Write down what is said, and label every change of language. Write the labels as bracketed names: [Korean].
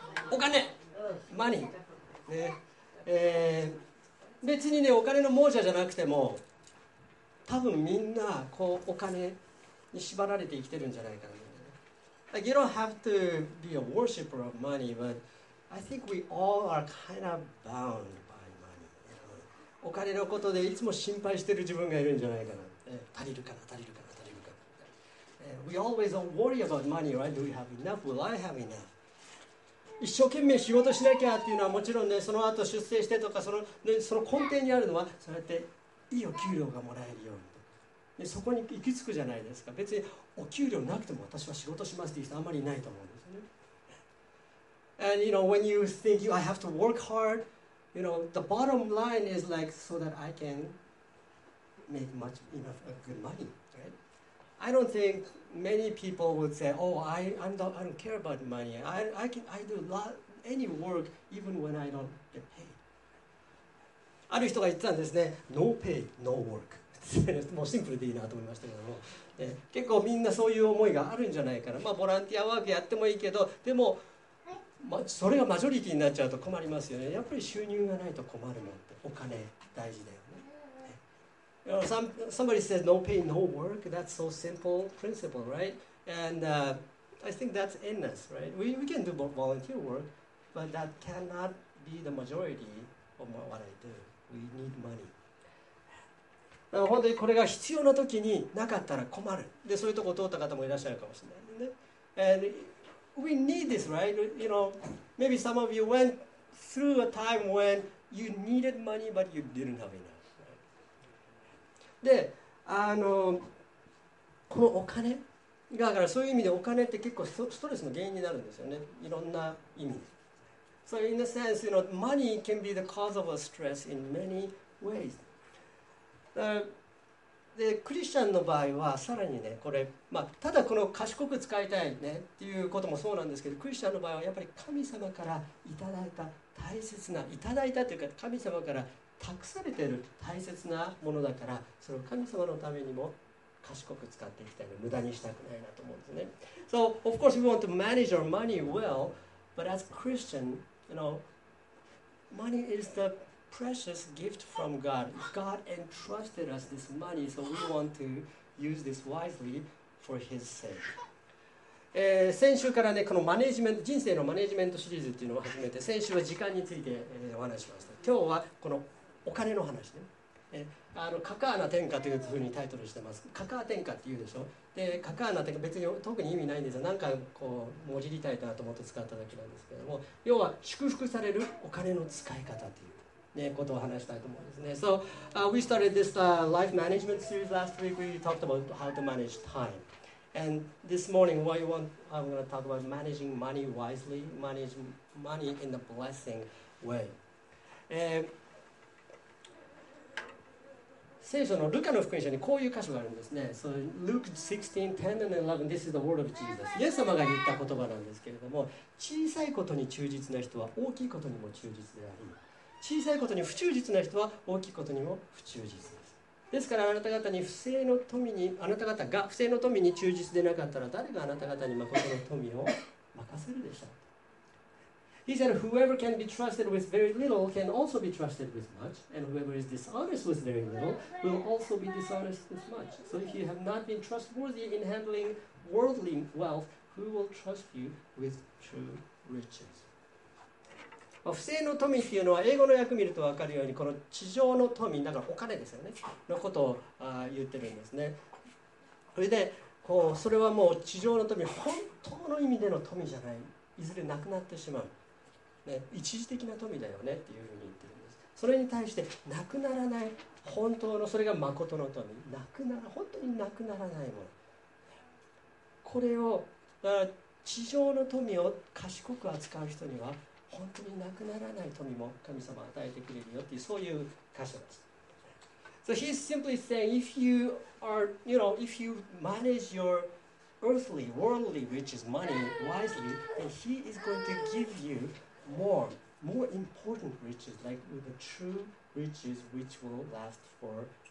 [Japanese] お金、 [English] money、 [Japanese] ね、別にね、お金の亡者じゃなくても、多分みんなこうお金に縛られて生きてるんじゃないかな。 [English] Like, you don't have to be a worshipper of money, but I think we all are kind of bound by money. You know? [Japanese] お金のことでいつも心配してる自分がいるんじゃないかな。足りるかな、足りるかな、足りるかな。 [English] We always don't worry about money, right? Do we have enough? Will I have enough? [Japanese] 一生懸命仕事しなきゃっていうのはもちろんね、その後出世してとか、その、ね、その根底にあるのは、そうやっていいお給料がもらえるように。でそこに行き着くじゃないですか。別にお給料なくても私は仕事しますっていう人あんまりいないと思うんですよね。 [English] And you know, when you think you, I have to work hard, you know, the bottom line is like so that I can make much enough a good money, right? I don't think many people would say, oh, I don't care about money. I do lot, any work even when I don't get paid. [Japanese] ある人が言ってたんですね。 [English] No pay, no work [Japanese] もうシンプルでいいなと思いましたけども、結構みんなそういう思いがあるんじゃないかな。まあボランティアワークやってもいいけど、でも、ま、それがマジョリティになっちゃうと困りますよね。やっぱり収入がないと困るもんって、お金大事だよね。 [English] You know, somebody said no pain, no work. That's so simple principle, right? And、I think that's endless, right? We can do volunteer work, but that cannot be the majority of what I do. We need money. [Japanese] 本当にこれが必要な時になかったら困る。で、そういうとこ通った方もいらっしゃるかもしれないね。 [English] And we need this, right? You know, maybe some of you went through a time when you needed money, but you didn't have enough. [Japanese] で、このお金、だからそういう意味でお金って結構ストレスの原因になるんですよね。いろんな意味で。 [English] So in a sense, you know, money can be the cause of a stress in many ways. [Japanese] でクリスチャンの場合はさらにね、これ、まあ、ただこの賢く使いたいねっていうこともそうなんですけど、クリスチャンの場合はやっぱり神様からいただいた大切な、いただいたというか神様から託されている大切なものだから、それを神様のためにも賢く使っていきたいの、無駄にしたくないなと思うんですね。 [English] So of course we want to manage our money well, but as Christian, you know, money is theprecious gift from God. God entrusted us this money, so we want to use this wisely for His sake. [Japanese] 先週からね、このマネジメント、人生のマネジメントシリーズっていうのを始めて、先週は時間について、お話しました。今日はこのお金の話ね。カカーナ天下というふうにタイトルしてます。カカー天下っていうでしょ。で、カカーナって別に特に意味ないんですよ。なんかこう、もじりたいなと思って使っただけなんですけども、要は祝福されるお金の使い方っていう。ね、ことを話したいと思うんですね。 [English] So, we started this, life management series last week. We talked about how to manage time. And this morning, what you want, I'm going to talk about managing money wisely, manage money in a blessing way. [Japanese] 聖書のルカの福音書にこういう箇所があるんですね。 [English] So, Luke 16, 10 and 11, this is the word of Jesus. [Japanese] イエス様が言った言葉なんですけれども、小さいことに忠実な人は大きいことにも忠実であり、小さいことに不忠実な人は大きいことにも不忠実です。ですからあなた方に不正の富に、あなた方が不正の富に忠実でなかったら誰があなた方に誠の富を任せるでしょう。 [English] He said, whoever can be trusted with very little can also be trusted with much, and whoever is dishonest with very little will also be dishonest with much. So if you have not been trustworthy in handling worldly wealth, who will trust you with true riches? [Japanese] 不正の富っていうのは英語の訳見ると分かるようにこの地上の富、だからお金ですよね、のことを言ってるんですね。それでこうそれはもう地上の富、本当の意味での富じゃない、いずれなくなってしまう。ね、一時的な富だよねっていうふうに言ってるんです。それに対してなくならない本当の、それが誠の富、なくなら本当になくならないもの、これを地上の富を賢く扱う人には本当になくならない富も神様与えてくれるよっていう、そういう箇所です。 [English] So he's simply saying, if you are, you know, if you manage your earthly, worldly riches, money wisely, then he is going to give you more, more important riches, like with the true riches which will last forever.